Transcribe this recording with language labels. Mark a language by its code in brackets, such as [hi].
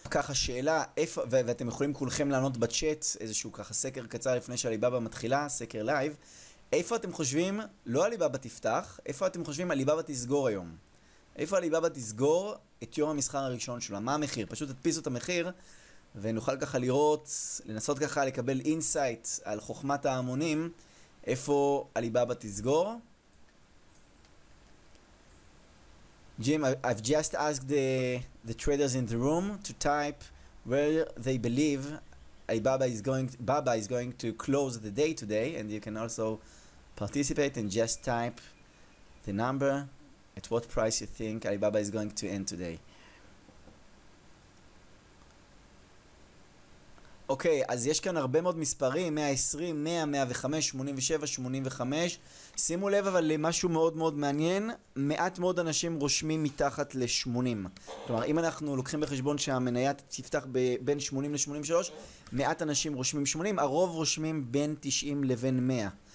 [he] ככה שאלה, ואתם יכולים כולכם לענות בצ'אט איזשהו ככה סקר קצר לפני שאליבאבא מתחילה, סקר לייב, איפה אתם חושבים, לא אליבאבא תפתח, איפה אתם חושבים אליבאבא תסגור היום? איפה אליבאבא תסגור את יום המסחר הראשון שלה? מה המחיר? פשוט תדפיסו את המחיר ונוכל ככה לראות, לנסות ככה לקבל אינסייט על חוכמת ההמונים, איפה אליבאבא תסגור. [en] Jim, I've just asked the traders in the room to type where they believe Baba is going to close the day today, and you can also participate and just type the number at what price you think Alibaba is going to end today. [he] אוקיי, אז יש כאן הרבה מאוד מספרים, 120, 100, 105, 87, 85. שימו לב אבל למשהו מאוד מאוד מעניין, מעט מאוד אנשים רושמים מתחת ל-80. כלומר, אם אנחנו לוקחים בחשבון שהמניה תפתח בין 80 ל-83, מעט אנשים רושמים 80, הרוב רושמים בין 90 לבין 100.